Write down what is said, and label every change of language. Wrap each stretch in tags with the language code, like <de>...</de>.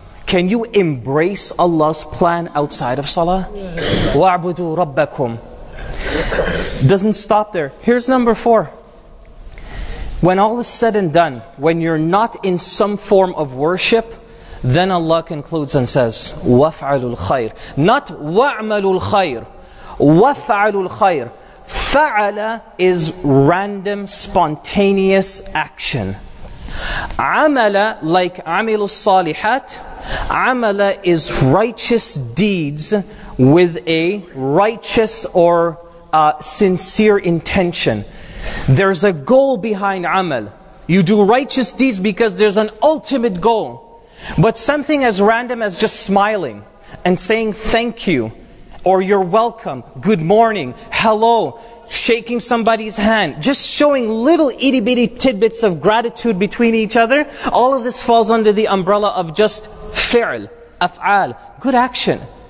<en>Can you embrace Allah's plan outside of salah?</en> <ar>وَاعْبُدُوا رَبَّكُمْ.</ar> <en>Doesn't stop there. Here's number four. When all is said and done, when you're not in some form of worship, then Allah concludes and says,</en> <ar>وَفْعَلُوا الْخَيْرِ.</ar> <en>Not</en> <ar>وَعْمَلُوا الْخَيْرِ. وَفْعَلُوا الْخَيْرِ.</ar> <en>فَعَلَ is random, spontaneous action.</en> <ar>عَمَلَ,</ar> <en>like</en> <ar>عَمِلُ الصَّالِحَاتِ.</ar> <en>عَمَلَ is righteous deeds with a righteous or sincere intention. There's a goal behind amal. You do righteous deeds because there's an ultimate goal. But something as random as just smiling and saying thank you, or you're welcome, good morning, hello, shaking somebody's hand, just showing little itty bitty tidbits of gratitude between each other, all of this falls under the umbrella of just fi'l, af'al, good action.</en>